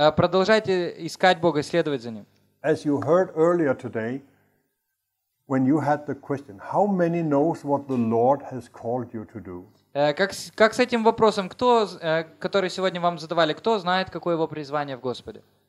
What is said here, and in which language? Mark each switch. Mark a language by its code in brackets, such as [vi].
[ru] Продолжайте искать Бога, следовать за ним. [en] As you heard earlier today, when you had the question, how many knows what the Lord has called you to do? [ru] Как с этим вопросом, кто, который сегодня вам задавали, кто знает, какое его призвание в Господе?